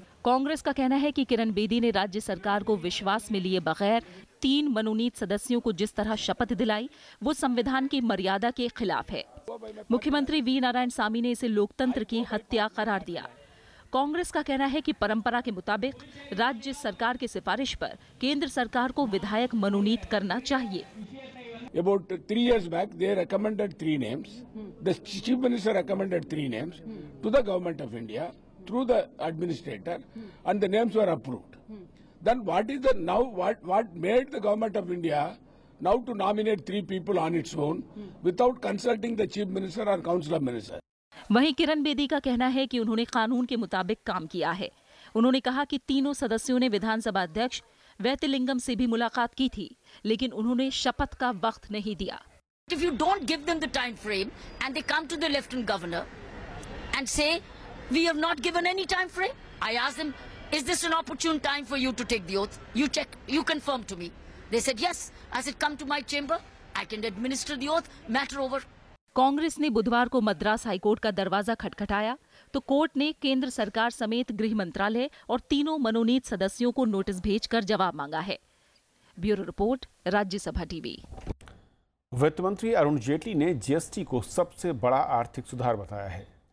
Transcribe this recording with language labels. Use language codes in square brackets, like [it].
[hi] कांग्रेस का कहना है कि किरण बेदी ने राज्य सरकार को विश्वास में लिए बगैर 3 मनोनीत सदस्यों को जिस तरह शपथ दिलाई, वो संविधान की मर्यादा के खिलाफ है। मुख्यमंत्री वी नारायण सामी ने इसे लोकतंत्र की हत्या करार दिया। कांग्रेस का कहना है कि परंपरा के मुताबिक राज्य सरकार की सिफारिश पर केंद्र सरकार को विधायक मनोनीत करना चाहिए। [en] About 3 years back, they recommended 3 names. The chief minister recommended 3 names to the government of India through the administrator, and the names were approved. Then what made the government of India now to nominate 3 people on its own without consulting the chief minister or council of minister? [hi] वहीं किरण बेदी का कहना है कि उन्होंने कानून के मुताबिक काम किया है। उन्होंने कहा कि तीनों सदस्यों ने विधानसभा अध्यक्ष वैतिलिंगम से भी मुलाकात की थी, लेकिन उन्होंने शपथ का वक्त नहीं दिया। [en] If you don't give them the time frame and they come to the lieutenant governor and say, we have not given any time frame, I ask them, is this an opportune time for you to take the oath? You check, you confirm to me. They said, yes. I said, come to my chamber. I can administer the oath. Matter over. [hi] Congress ने बुधवार को Madras high court का दरवाजा खटखटाया तो court ने केंद्र सरकार समेत गृह मंत्रालय और तीनों मनोनीत सदस्यों को नोटिस भेजकर जवाब मांगा है। Bureau report, Rajya Sabha TV. वित्त मंत्री अरुण जेटली ने जीएसटी को सबसे बड़ा आर्थिक सुधार बताया है।